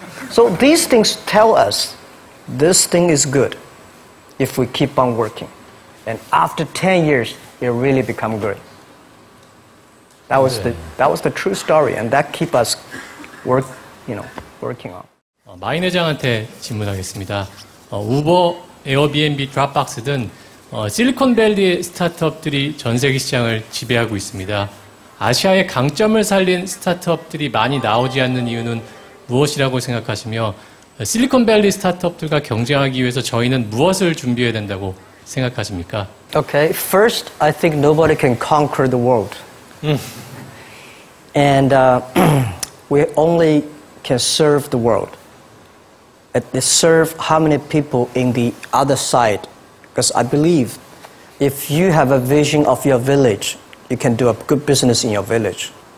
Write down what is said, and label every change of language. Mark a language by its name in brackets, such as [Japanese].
[English] So these things tell us this thing is good if we keep on working. And after 10 years, it really become great. That was the true story, and that keep us working on. [Korean] 마인 회장한테 질문하겠습니다. 우버, 에어비앤비, 드랍박스든 실리콘밸리 스타트업들이 전 세계 시장을 지배하고 있습니다. 아시아의 강점을 살린 스타트업들이 많이 나오지 않는 이유는 무엇이라고 생각하시며 실리콘밸리 스타트업들과 경쟁하기 위해서 저희는 무엇을 준비해야 된다고 생각하십니까? [English] Okay, first, I think nobody can conquer the world. And we only can serve the world. Serve how many people in the other side. Because I believe if you have a vision of your village, you can do a good business in your village.